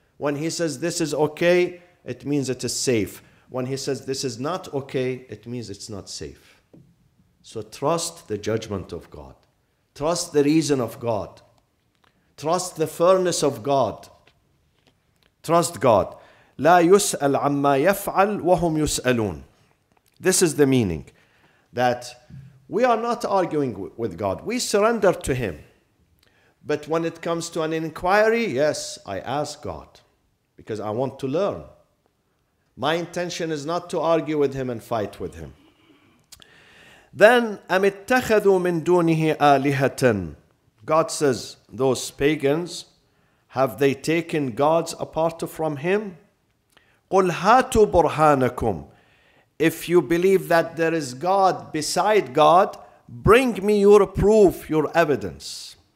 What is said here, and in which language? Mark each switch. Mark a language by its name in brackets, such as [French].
[English] When he says this is okay, it means it is safe. When he says this is not okay, it means it's not safe. So trust the judgment of God. Trust the reason of God. Trust the fairness of God. Trust God. [Arabic] لا يسأل عما يفعل وهم يسألون. [English] This is the meaning that we are not arguing with God. We surrender to him. But when it comes to an inquiry, yes, I ask God because I want to learn. My intention is not to argue with him and fight with him. [Arabic] Then, أَمِ اتَّخَذُوا مِن دُونِهِ آلِهَةً. [English] God says, those pagans, have they taken gods apart from him? [Arabic] قُلْ هَاتُوا بُرْهَانَكُمْ. [English] If you believe that there is God beside God, bring me your proof, your evidence.